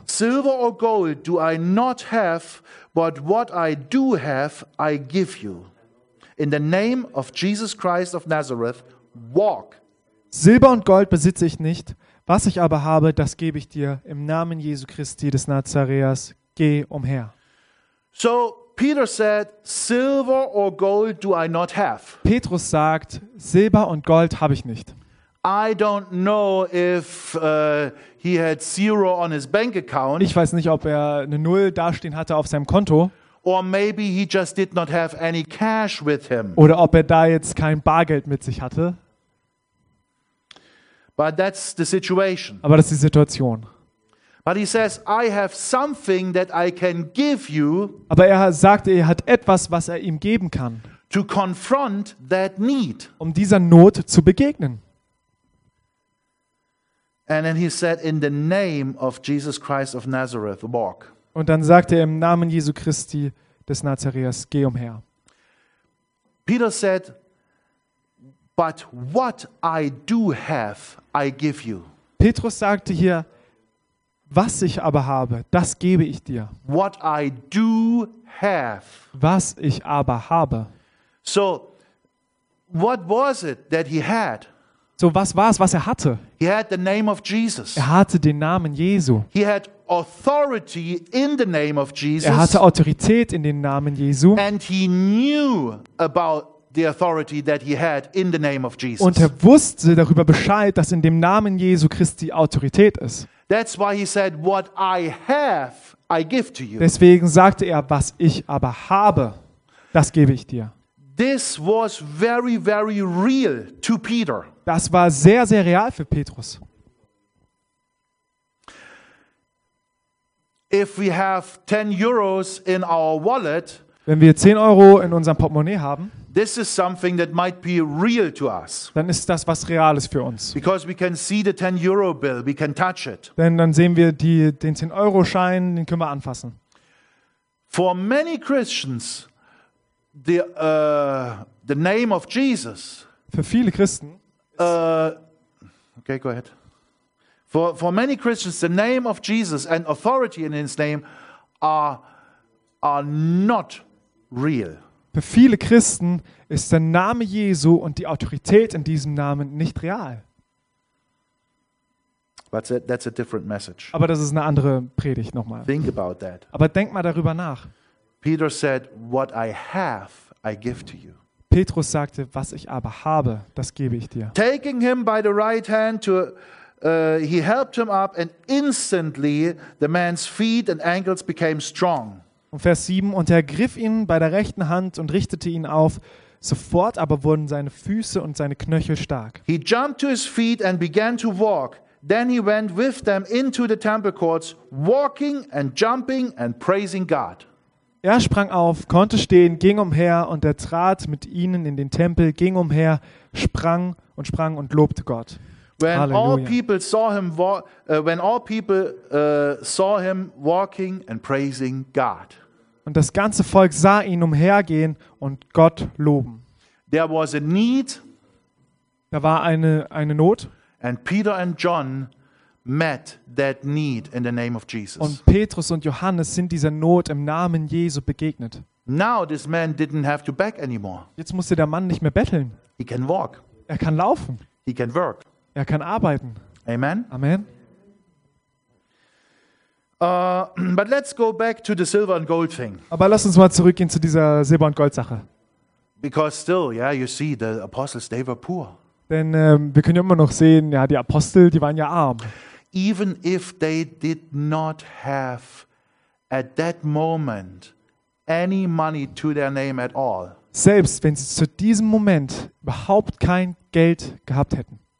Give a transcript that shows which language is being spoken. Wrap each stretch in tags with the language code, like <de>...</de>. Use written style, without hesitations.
<en>"Silver or gold do I not have, but what I do have, I give you. In the name of Jesus Christ of Nazareth, walk."</en> <de>Silber und Gold besitze ich nicht, was ich aber habe, das gebe ich dir. Im Namen Jesu Christi des Nazareas, geh umher.</de> <en>So Peter said, "Silver or gold do I not have."</en> <de>Petrus sagt, Silber und Gold habe ich nicht.</de> <en>I don't know if he had zero on his bank account.</en> <de>Ich weiß nicht, ob er eine Null dastehen hatte auf seinem Konto.</de> <en>Or maybe he just did not have any cash with him.</en> <de>Oder ob er da jetzt kein Bargeld mit sich hatte.</de> <en>But that's the situation.</en> <de>Aber das ist die Situation.</de> <en>But he says, I have something that I can give you.</en> <de>Aber er sagte, er hat etwas, was er ihm geben kann.</de> <en>To confront that need.</en> <de>Um dieser Not zu begegnen.</de> <en>And then he said, in the name of Jesus Christ of Nazareth, walk.</en> <de>Und dann sagte er, im Namen Jesu Christi des Nazareas, geh umher.</de> <en>Peter said, but what I do have, I give you.</en> <de>Petrus sagte hier, was ich aber habe, das gebe ich dir.</de> <en>What I do have.</en> <de>Was ich aber habe.</de> <en>So, what was it that he had?</en> <de>So, was war es, was er hatte?</de> <en>He had the name of Jesus.</en> <de>Er hatte den Namen Jesu.</de> <en>He had authority in the name of Jesus.</en> <de>Er hatte Autorität in den Namen Jesu.</de> <en>And he knew about the authority that he had in the name of Jesus.</en> <de>Und er wusste darüber Bescheid, dass in dem Namen Jesu Christi Autorität ist.</de> <en>That's why he said, "What I have, I give to you."</en> <de>Deswegen sagte er, was ich aber habe, das gebe ich dir.</de> <en>This was very, very real to Peter.</en> <de>Das war sehr, sehr real für Petrus.</de> <en>If we have 10 euros in our wallet,</en> <de>wenn wir 10 Euro in unserem Portemonnaie haben,</de> <en>this is something that might be real to us.</en> <de>Dann ist das was Reales für uns.</de> <en>Because we can see the 10 euro bill, we can touch it.</en> <de>Denn dann sehen wir den 10 euro Schein, den können wir anfassen.</de> <en>For many Christians, the name of Jesus.</en> <de>Für viele Christen.</de> <en>Okay, go ahead. For many Christians, the name of Jesus and authority in his name are not real.</en> <de>Für viele Christen ist der Name Jesu und die Autorität in diesem Namen nicht real.</de> <en>That's a different message.</en> <de>Aber das ist eine andere Predigt nochmal.</de> <en>Think about that.</en> <de>Aber denk mal darüber nach.</de> <en>Peter said, "What I have, I give to you."</en> <de>Petrus sagte, was ich aber habe, das gebe ich dir.</de> <en>Taking him by the right hand to he helped him up and instantly the man's feet and ankles became strong.</en> <de>Und Vers 7, und er griff ihn bei der rechten Hand und richtete ihn auf. Sofort aber wurden seine Füße und seine Knöchel stark.</de> <en>He jumped to his feet and began to walk. Then he went with them into the temple courts, walking and jumping and praising God.</en> <de>Er sprang auf, konnte stehen, ging umher und er trat mit ihnen in den Tempel, ging umher, sprang und lobte Gott.</de> <en>When all people saw him walking and praising God.</en> <de>Und das ganze Volk sah ihn umhergehen und Gott loben.</de> <en>There was a need.</en> <de>Da war eine Not.</de> <en>And Peter and John met that need in the name of Jesus.</en> <de>Und Petrus und Johannes sind dieser Not im Namen Jesu begegnet.</de> <en>Now this man didn't have to beg anymore.</en> <de>Jetzt musste der Mann nicht mehr betteln.</de> <en>He can walk.</en> <de>Er kann laufen.</de> <en>He can work.</en> <de>Er kann arbeiten.</de> <en>Amen.</en> <de>Amen.</de> <en>But let's go back to the silver and gold thing.</en> <de>Aber lass uns mal zurückgehen zu dieser Silber- und Goldsache.</de> <en>Because still, yeah, you see, the apostles, they were poor.</en> <de>Denn wir können ja immer noch sehen, ja, die Apostel, die waren ja arm.</de> <en>Even if they did not have at that moment any money to their name at all.</en> <de>Selbst wenn sie zu diesem Moment überhaupt kein Geld gehabt hätten.</de>